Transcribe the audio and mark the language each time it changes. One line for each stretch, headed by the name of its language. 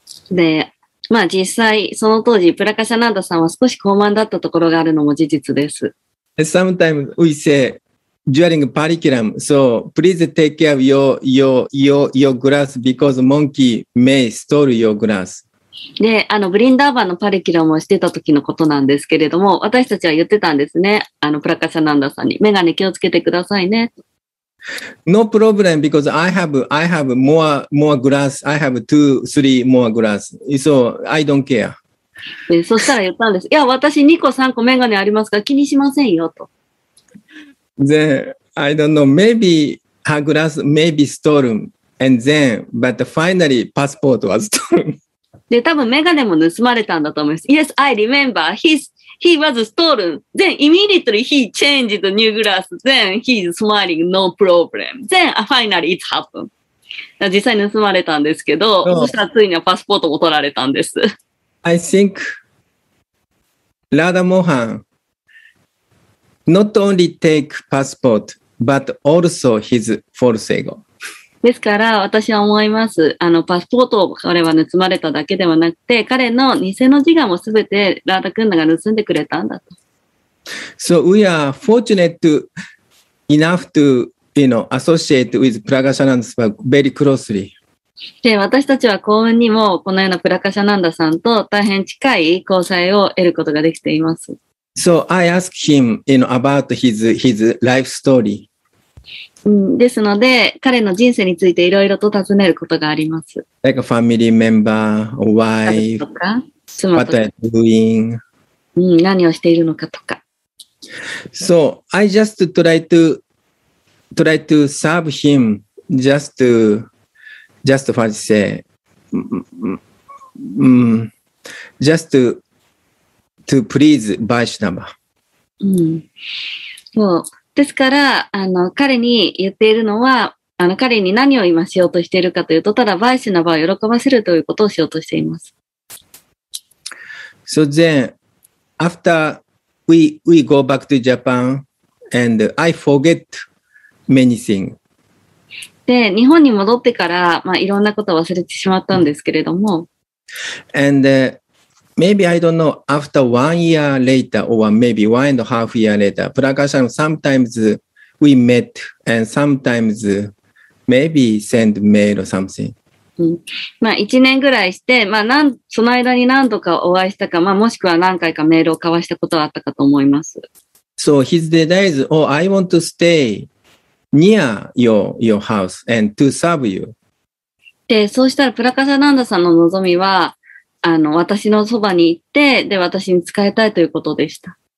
Japanese: で、まあ実際、その当時、Prakashananda さんは少し高慢だったところがあるのも事実です。
English: Sometimes we say,During parikram, so please take care of your glass because monkey may stole your glass.
Japanese: で、あの、ブリンダーバンのパリキラムをしてた時のことなんですけれども、私たちは言ってたんですね。あの、プラカシャナンダさんに、メガネ気をつけてくださいね。
English: No problem, because I have more glass. I have 2-3 more glass. So I don't care.
Japanese: そしたら言ったんです。いや、私2個3個メガネありますから気にしませんよと。
English: Then I don't know. Maybe her glass may be stolen. And then, but finally, passport was stolen.
Japanese: で、多分メガネも盗まれたんだと思います。
English: Yes, I remember. He was stolen. Then immediately he changed new glass. Then he's smiling. No problem. Then finally it happened.
Japanese: 実際盗まれたんですけど、そしたらついにはパスポートも取られたんです。
English: I think Radha Mohan not only take passport, but also his false ego.
Japanese: ですから私は思います。パスポートを彼は盗まれただけではなくて、彼の偽の自我もすべてラダクンナが盗んでくれたんだと。
English: So we are fortunate enough to, you know, associate with Pragashananda Swami very closely.
Japanese: で私たちは幸運にもこのようなプラカシャナンダさんと大変近い交際を得ることができています。
English: So I ask him, you know, about his life story.
Japanese: ですので彼の人生についていろいろと尋ねることがあります。
English: Like a family member, a wife, what are you doing?
Japanese: 何をしているのかとか。
English: So I just try to serve him just to. Just for to say, just to please Vaishnava.
Japanese: そう。ですから、彼に言っているのは、彼に何を今しようとしているかというと、ただ Vaishnava を喜ばせるということをしようとしています。
English: So then, after we go back to Japan, and I forget many things.
Japanese: で日本に戻ってから、まあ、いろんなことを忘れてしまったんですけれども。
English: And maybe I don't know, after 1 year later or maybe 1.5 years later, Prakashan sometimes we met and sometimes maybe send mail or something.、
Japanese: まあ、1年ぐらいして、まあ、その間に何度かお会いしたか、まあ、もしくは何回かメールを交わしたことはあったかと思います。
English: So his desire is, oh, I want to stay. Near your house and to serve you.
Japanese: で、そうしたらプラカシャナンダさんの望みは、私のそばに行って、で、私に使いたいということでした。